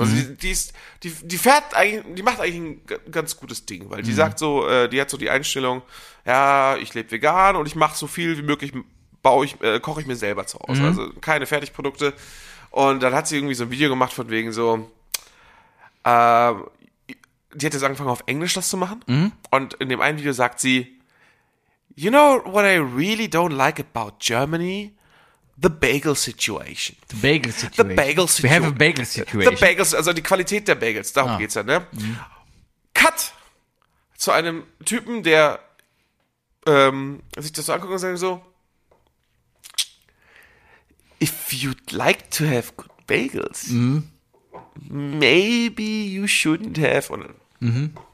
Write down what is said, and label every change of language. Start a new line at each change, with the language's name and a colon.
German: Also die macht eigentlich ein ganz gutes Ding, weil die sagt so, die hat so die Einstellung, ja, ich lebe vegan und ich mache so viel wie möglich, koche ich mir selber zu Hause. Also keine Fertigprodukte. Und dann hat sie irgendwie so ein Video gemacht von wegen so, die hat jetzt angefangen auf Englisch das zu machen. Und in dem einen Video sagt sie,
English: You know what I really don't like about Germany? The bagel situation. The bagel situation. The bagel situation. We have a bagel situation. The bagels,
German: also die Qualität der Bagels, darum geht's ja, ne? Mhm. Cut zu einem Typen, der sich das so anguckt und sagt so,
English: if you'd like to have good bagels, maybe you shouldn't have.
German: Und,